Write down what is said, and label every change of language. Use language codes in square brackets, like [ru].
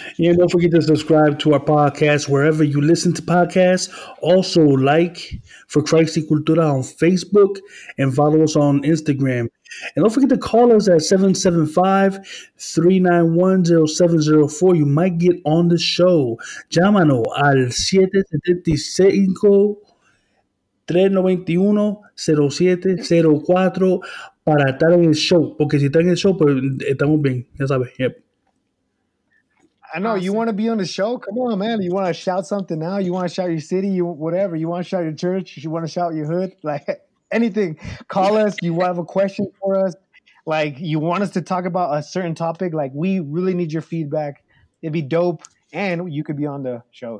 [en] Yeah, don't forget to subscribe to our podcast wherever you listen to podcasts. Also, like For Christ y Cultura on Facebook and follow us on Instagram. And don't forget to call us at 775-391-0704. You might get on the show. [es] Llámano al 775-391-0704 para estar en el show. Porque si está en el show, pues estamos bien. Ya sabes. Yep. [en] I know. You want to be on the show? Come on, man. You want to shout something now? You want to shout your city? You whatever. You want to shout your church? You want to shout your hood? Like, anything. Call us. You have a question for us. Like, you want us to talk about a certain topic? Like, we really need your feedback. It'd be dope. And you could be on the show.